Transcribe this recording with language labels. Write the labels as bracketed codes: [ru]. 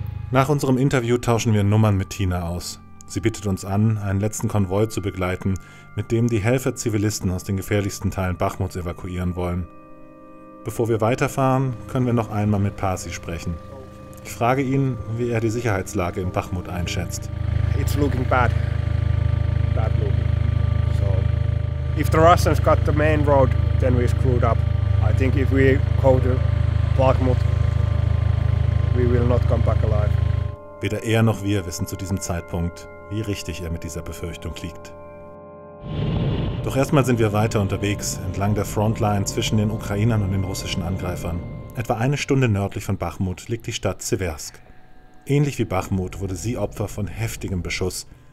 [de] Nach unserem Interview tauschen wir Nummern mit Tina aus. Sie bittet uns an, einen letzten Konvoi zu begleiten, mit dem die Helfer Zivilisten aus den gefährlichsten Teilen Bakhmuts evakuieren wollen. Bevor wir weiterfahren, können wir noch einmal mit Parsi sprechen. Ich frage ihn, wie er die Sicherheitslage in Bakhmut einschätzt. [en] It's looking bad. Bad looking. So, if the Russians got the main road, then we screwed up. I think if we go to Bakhmut, we will not come back alive. [de] Weder er noch wir wissen zu diesem Zeitpunkt, wie richtig er mit dieser Befürchtung liegt. Doch erstmal sind wir weiter unterwegs, entlang der Frontline zwischen den Ukrainern und den russischen Angreifern. Etwa eine Stunde nördlich von Bakhmut liegt die Stadt Siversk. Ähnlich wie Bakhmut wurde sie Opfer von heftigem Beschuss.